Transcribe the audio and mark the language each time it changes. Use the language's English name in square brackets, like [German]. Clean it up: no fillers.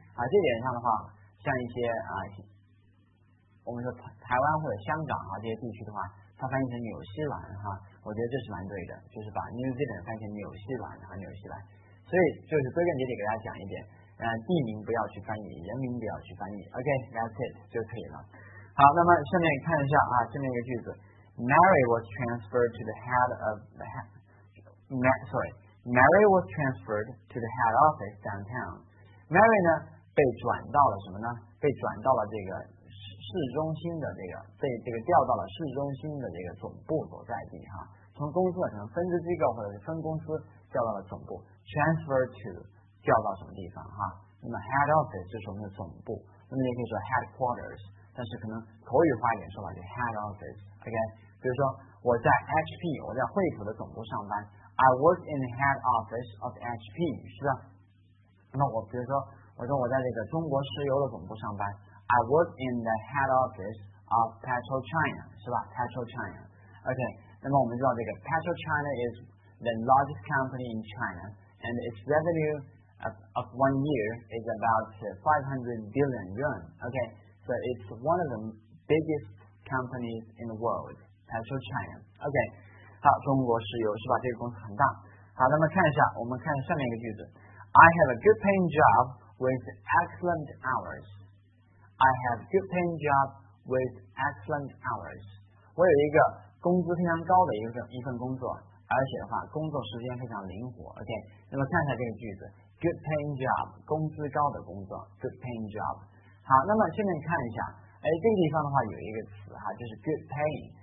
[Chinese] 啊，这点上的话，像一些啊，我们说台湾或者香港啊这些地区的话，它翻译成纽西兰哈、啊，我觉得这是蛮对的，就是把 New Zealand 翻译成纽西兰和纽西兰。所以就是归根结底给大家讲一点，地名不要去翻译，人名不要去翻译。 [English] OK， that's it [Chinese] 就可以了。好，那么下面看一下啊，下面一个句子 [English] ，Mary was transferred to the head of the Mary was transferred to the head office downtown。 [Chinese] Mary 呢被转到了什么呢？被转到了这个市中心的这个这个调到了市中心的这个总部所在地哈、啊。从公司的可能分支机构或者是分公司调到了总部 ，transfer to 调到什么地方哈、啊？那么 head office 就是我们的总部，那么也可以说 headquarters， 但是可能口语化一点说法就 head office，OK？、Okay? 比如说我在 HP， 我在惠普的总部上班 ， [English] I work in the head office of HP， [Chinese] 是吧？那我比如说，我说我在这个中国石油的总部上班 ， [English] I work in the head office of PetroChina， [Chinese] 是吧 ？PetroChina， OK。那么我们知道这个 [English] PetroChina is the largest company in China， and its revenue of 1 year is about 500 billion yuan， OK。 So it's one of the biggest companies in the world， PetroChina， OK。 [Chinese] 好，中国石油是吧？这个公司很大。好，那么看一下，我们看下面一个句子。 [English] I have a good paying job with excellent hours. I have a good paying job with excellent hours. [Chinese] 我有一个工资非常高的一份工作，而且的话工作时间非常灵活。 OK， 那么看一下这个句子 ，good paying job， 工资高的工作 ，good paying job。好，那么现在看一下，哎，这个地方的话有一个词哈，就是 good paying。